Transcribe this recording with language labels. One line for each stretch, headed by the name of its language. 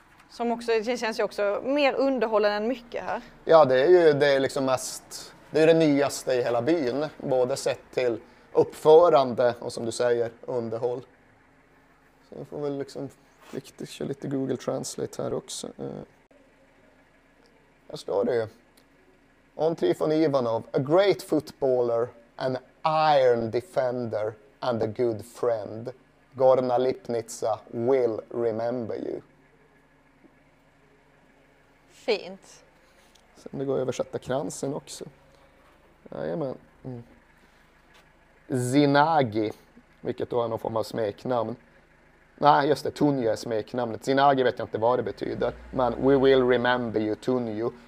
Swedish: Som också, det känns ju också mer underhållande än mycket här. Ja, det är ju det, är liksom mest, det, är det nyaste i hela byn, både sett till uppförande och som du säger, underhåll. Så jag får väl liksom riktigt köra lite Google Translate här också. Här står det ju.
English: On Trifon Ivanov, a great footballer, an iron defender and a good friend. Gorna Lipnica will remember you.
Swedish: Fint. Sen det går att översätta kransen också. Jajamän. Zinagi, vilket då är någon form av smeknamn. Nej, just det. Tunju är smeknamnet. Zinagi vet jag inte vad det betyder. Men
English: we will remember you,
Swedish: Tunju.